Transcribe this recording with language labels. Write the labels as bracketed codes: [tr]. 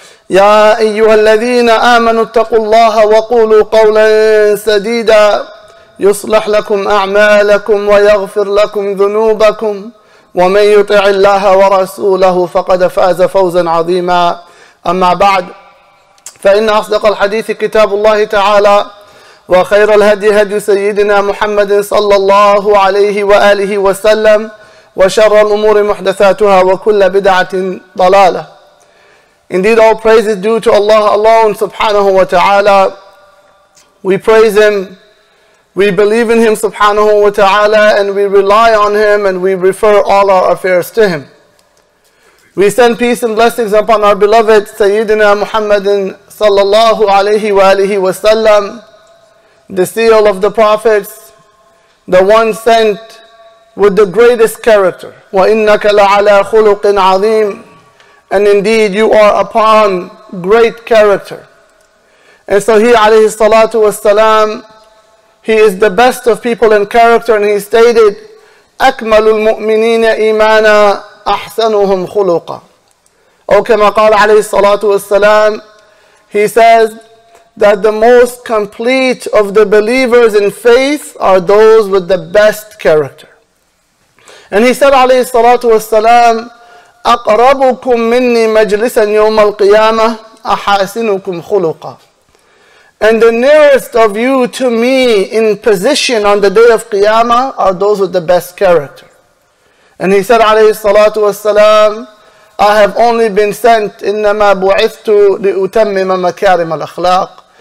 [ar] يا أيها الذين آمنوا اتقوا الله وقولوا قولا سديدا، يصلح لكم أعمالكم ويغفر لكم ذنوبكم، ومن يطع الله ورسوله فقد فاز فوزا عظيما. أما بعد، فإن أصدق الحديث كتاب الله تعالى، وخير الهدي هدي سيدنا محمد صلى الله عليه وآله وسلم، وشر الأمور محدثاتها وكل بدعة ضلالة. [en] Indeed, all praise is due to Allah alone, subhanahu wa ta'ala. We praise Him, we believe in Him, subhanahu wa ta'ala, and we rely on Him, and we refer all our affairs to Him. We send peace and blessings upon our beloved Sayyidina Muhammadin sallallahu alayhi wa alihi wa sallam, the seal of the prophets, the one sent with the greatest character. [ar] وَإِنَّكَ لَعَلَىٰ خُلُقٍ عَظِيمٍ. [en] And indeed, you are upon great character. And so he, alayhi salatu wasalam, he is the best of people in character, and he stated, [ar] أَكْمَلُ الْمُؤْمِنِينَ إِيمَانًا أَحْسَنُهُمْ خُلُقًا. [en] Or [ar] كما قال عليه الصلاة والسلام, [en] he says that the most complete of the believers in faith are those with the best character. And he said, [ar] عليه الصلاة والسلام, أَقْرَبُكُمْ مِنِّي مَجْلِسًا يَوْمَ الْقِيَامَةِ أَحَاسِنُكُمْ خُلُقًا. [en] And the nearest of you to me in position on the day of Qiyamah are those with the best character. And he said, [ar] عليه الصلاة والسلام, [en] I have only been sent, [ar] إِنَّمَا بُعِثْتُ لِأُتَمِّمَ مَكَارِمَ الْأَخْلَاقِ.